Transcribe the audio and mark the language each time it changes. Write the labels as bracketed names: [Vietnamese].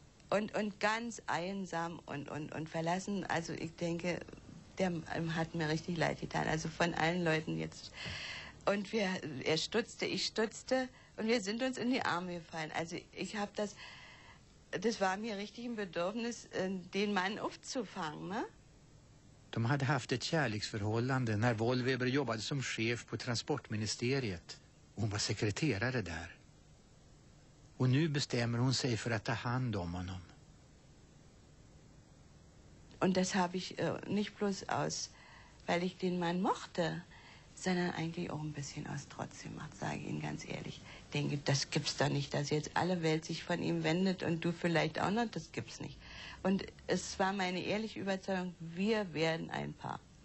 [German] Und ganz einsam und verlassen. Also ich denke, der hat mir richtig leid getan. Also von allen Leuten jetzt. Und er stutzte, ich stutzte und wir sind uns in die Arme gefallen. Also ich habe das war mir richtig ein Bedürfnis, den Mann aufzufangen, ne? [Swedish] De hade haft ett kärleksförhållande när Wohlweber jobbade som chef på transportministeriet. Hon var sekreterare där. Och nu bestämmer hon sig för att ta hand om honom. [German] Und das habe ich nicht bloß aus, weil ich den Mann mochte, sondern eigentlich auch ein bisschen aus Trotz gemacht, sage ich Ihnen ganz ehrlich. Ich denke, das gibt's doch nicht, dass jetzt alle Welt sich von ihm wendet und du vielleicht auch noch, das gibt's nicht. Und es war meine ehrliche Überzeugung, wir werden ein Paar.